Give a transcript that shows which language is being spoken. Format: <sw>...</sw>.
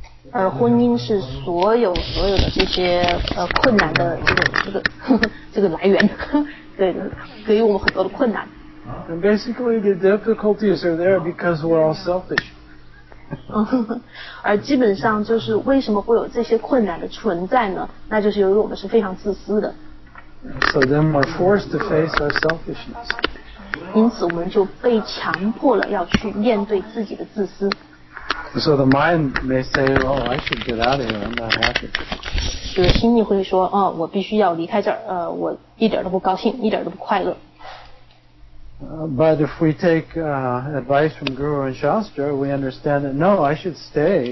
<zh>而婚姻是所有的这些困难的这个来源，对，给予我们很多的困难。</zh> <en>And basically, the difficulties are there because we're all selfish.</en> <zh>而基本上就是为什么会有这些困难的存在呢？那就是由于我们是非常自私的。</zh> <en>So then we're forced to face our selfishness.</en> <zh>因此我们就被强迫了要去面对自己的自私。</zh> <en>So the mind may say, oh, I should get out of here, I'm not happy.</en> <zh>就是心里会说、哦、我必须要离开这儿、我一点都不高兴，一点都不快乐。</zh> <en>But if we take advice from Guru and Shastra, we understand that, no, I should stay.</en>